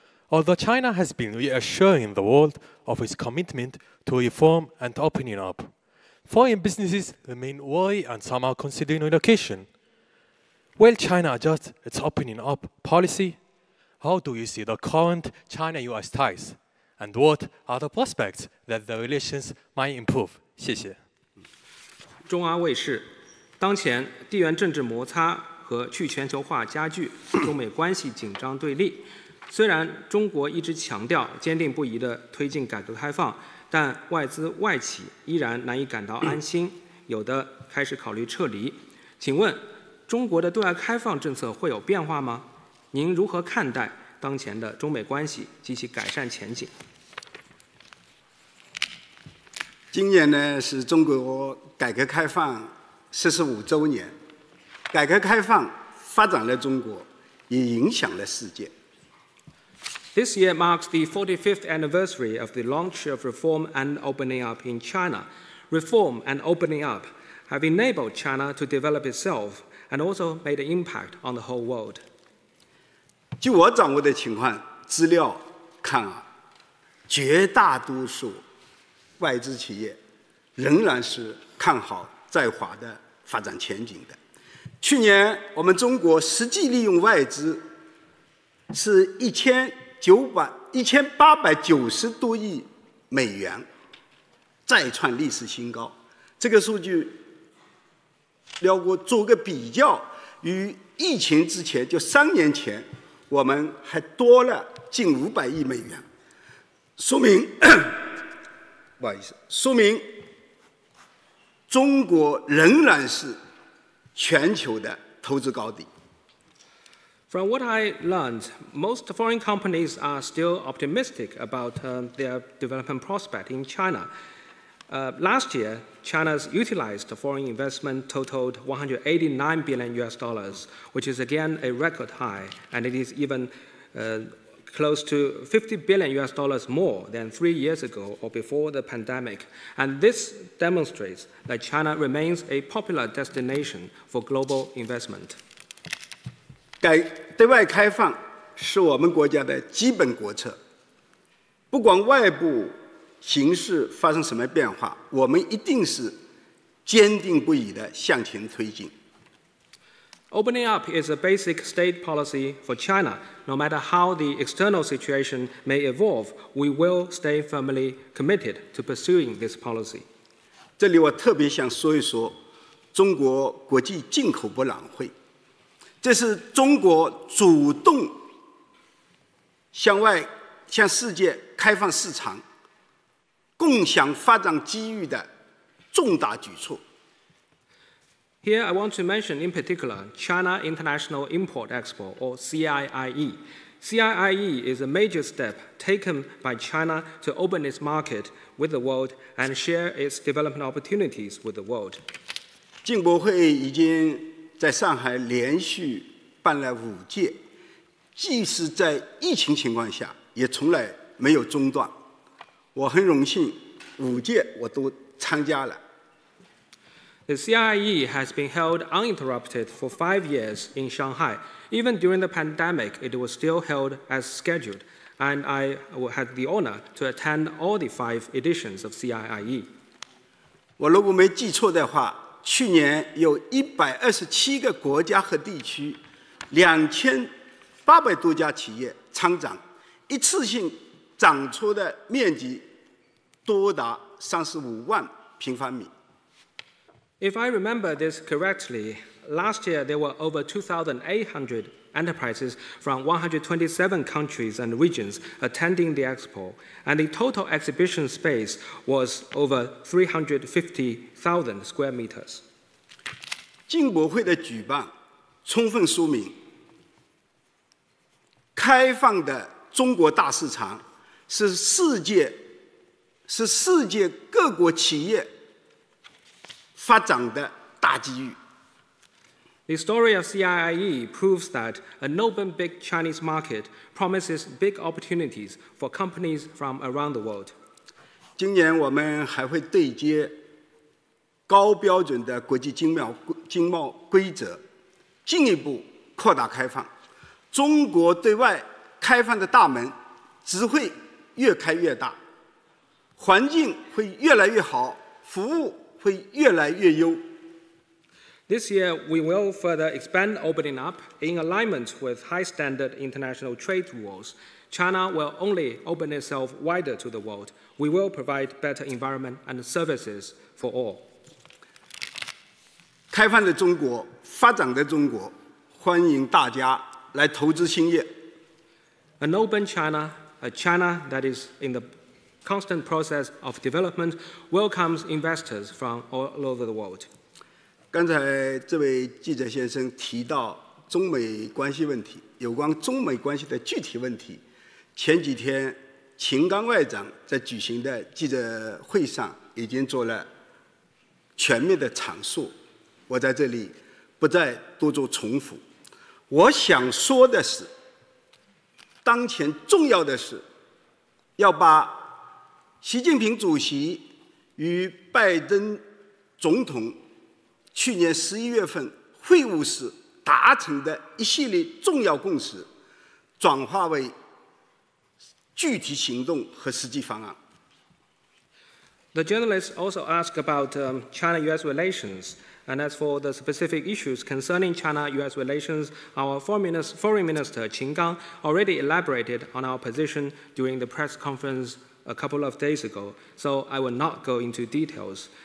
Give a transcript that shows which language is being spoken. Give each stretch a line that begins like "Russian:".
English: Although China has been reassuring the world of its commitment to reform and opening up, foreign businesses remain worried and some are considering relocation. Will China adjust its opening up policy? How do you see the current China-U.S. ties? And what are the prospects that the relations might improve?
Chinese: 谢谢。中阿卫视，当前地缘政治摩擦和去全球化加剧，中美关系紧张对立。虽然中国一直强调坚定不移地推进改革开放，但外资外企依然难以感到安心，有的开始考虑撤离。请问，中国的对外开放政策会有变化吗？您如何看待当前的中美关系及其改善前景？今年呢是中国改革开放45周年，改革开放发展了中国，也影响了世界。
English: This year marks the 45th anniversary of the launch of reform and opening up in China. Reform and opening up have enabled China to develop itself and also made an impact on the whole world.
Chinese: 据我掌握的情况资料看啊，绝大多数外资企业仍然是看好在华的发展前景的。去年我们中国实际利用外资是1890多亿美元，再创历史新高。这个数据，辽国做个比较，与疫情之前，就3年前，我们还多了近500亿美元，说明，不好意思，说明中国仍然是全球的投资高地。
English: From what I learned, most foreign companies are still optimistic about their development prospect in China. Last year, China's utilized foreign investment totaled $189 billion, which is again a record high, and it is even close to $50 billion more than 3 years ago or before the pandemic. And this demonstrates that China remains a popular destination for global investment.
Chinese: 对外开放是我们国家的基本国策，不管外部形势发生什么变化，我们一定是坚定不移地向前推进。
English: Opening up is a basic state policy for China. No matter how the external situation may evolve, we will stay firmly committed to pursuing this policy.
Chinese: 这里我特别想说一说中国国际进口博览会。这是中国主动向外、向世界开放市场、共享发展机遇的重大举措。
English: Here I want to mention in particular China International Import Expo, or CIIE. CIIE is a major step taken by China to open its market with the world and share its development opportunities with the world.
Chinese: 进博会已经在上海连续办了5届，即使在疫情情况下，也从来没有中断。我很荣幸，5届我都参加了。
English: The CIIE has been held uninterrupted for 5 years in Shanghai. Even during the pandemic, it was still held as scheduled, and I had the honor to attend all the 5 editions of CIIE.
Chinese: 我如果没记错的话，去年有127个国家和地区，2800多家企业参展，一次性展出的面积多达35万平方米。
English: If I remember this correctly, last year there were over 2,800 enterprises from 127 countries and regions attending the expo, and the total exhibition space was over 350,000 square meters.
Chinese: 进博会的举办充分说明，开放的中国大市场是世界各国企业发展的大机遇。
English: The story of CIIE proves that an open big Chinese market promises big opportunities for companies from around the world.
Chinese: 今年我们还会对接高标准的国际经贸规则，进一步扩大开放。中国对外开放的大门只会越开越大，环境会越来越好，服务会越来越优。
English: This year, we will further expand opening up in alignment with high-standard international trade rules. China will only open itself wider to the world. We will provide better environment and services for all.
Chinese: 开放的中国，发展的中国，欢迎大家来投资兴业。
English: An open China, a China that is in the constant process of development, welcomes investors from all over the world.
Chinese: 刚才这位记者先生提到中美关系问题，有关中美关系的具体问题，前几天秦刚外长在举行的记者会上已经做了全面的阐述，我在这里不再多做重复。我想说的是，当前重要的是要把习近平主席与拜登总统去年11月份会晤时达成的一系列重要共识转化为具体行动和实际方案。
English: The journalists also ask about China-US relations, and as for the specific issues concerning China-US relations, our Foreign Minister Qin Gang already elaborated on our position during the press conference a couple of days ago, so I will not go into details.